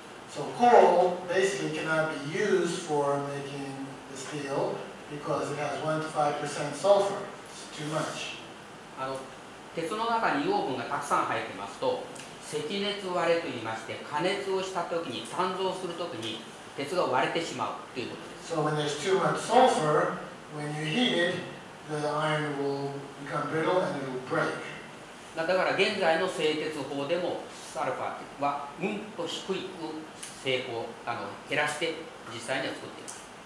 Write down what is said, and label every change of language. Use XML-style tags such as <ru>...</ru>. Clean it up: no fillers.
<en>So coal basically cannot be used for making the steel because it has 1 to 5% sulfur. It's too much.</en> <ja>鉄の中に硫黄分がたくさん入ってますと、積熱を割れと言いまして、加熱をした時に、炭造する時に鉄が割れてしまうということです。</ja> <en>So when there's too much sulfur, when you heat it, the iron will become brittle and it will break.</en> <ja>だから現在の製鉄法でも、アルファはうんと低く成功、減らして実際には作っています。</ja>